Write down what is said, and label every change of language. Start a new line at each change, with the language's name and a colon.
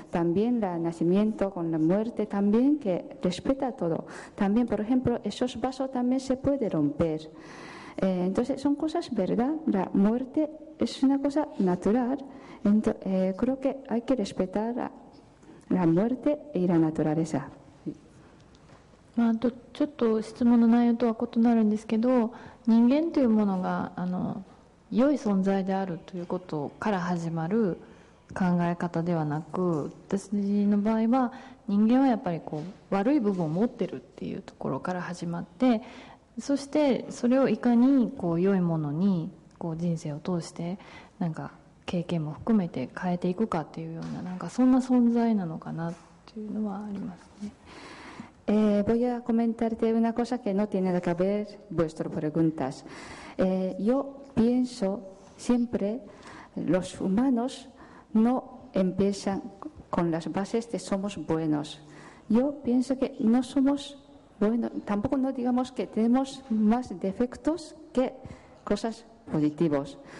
Spanish: También el nacimiento con la muerte, también que respeta todo. También, por ejemplo, esos vasos también se pueden romper. Entonces, son cosas, ¿verdad? La muerte es una cosa natural. Entonces, creo que hay que respetar la muerte y la naturaleza.
Japanese: まあ、ちょっと質問の内容とは異なるんですけど、人間というものがあの良い存在であるということから始まる考え方ではなく、私の場合は人間はやっぱりこう悪い部分を持ってるっていうところから始まって、そしてそれをいかにこう良いものにこう人生を通してなんか経験も含めて変えていくかっていうような、なんかそんな存在なのかなっていうのはありますね。
Spanish: Voy a comentarte una cosa que no tiene que ver vuestras preguntas. Yo pienso siempre los humanos no empiezan con las bases de somos buenos. Yo pienso que no somos buenos, tampoco no digamos que tenemos más defectos que cosas positivas.